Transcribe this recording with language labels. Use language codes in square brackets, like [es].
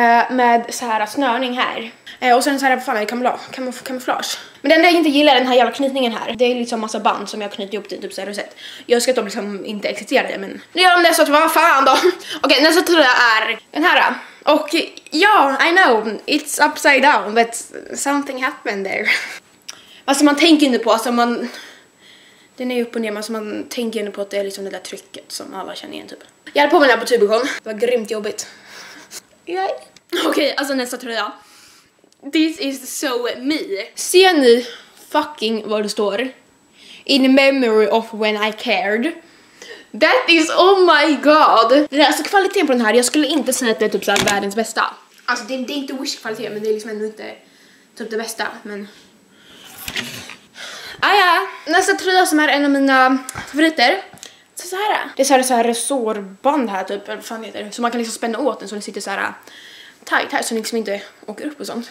[sv] Med så här snörning här. Och sen så här, vad fan är det, kamouflage. Men den där jag inte gillar, den här jävla knytningen här. Det är liksom massa band som jag knyter ihop till typ så här rosett. Jag ska att de liksom inte existerar det, men nu gör de det, så att vad fan då. Okej, nästa tröja är den här. [en] Och ja, I know, it's upside down, but something happened there. [sv] Alltså man tänker inte på, alltså man... Den är upp och ner, men alltså man tänker inte på att det är liksom det där trycket som alla känner igen typ. Jag hade på mig den här på Tubicon. Det var grymt jobbigt. Yay. Okej, alltså nästa tröja. [en] This is so me. [sv] Ser ni fucking vad det står? [en] In memory of when I cared. That is, oh my god. [sv] Det är alltså kvaliteten på den här. Jag skulle inte säga att det är typ såhär världens bästa. Alltså det är inte Wish-kvalitet, men det är liksom ändå inte typ det bästa. Men... ah, ja. Nästa tröja som är en av mina favoriter. Så här. Det är så här resårband här typ. Fan heter det. Så man kan liksom spänna åt den så den sitter så här tight här, så liksom inte åker upp och sånt.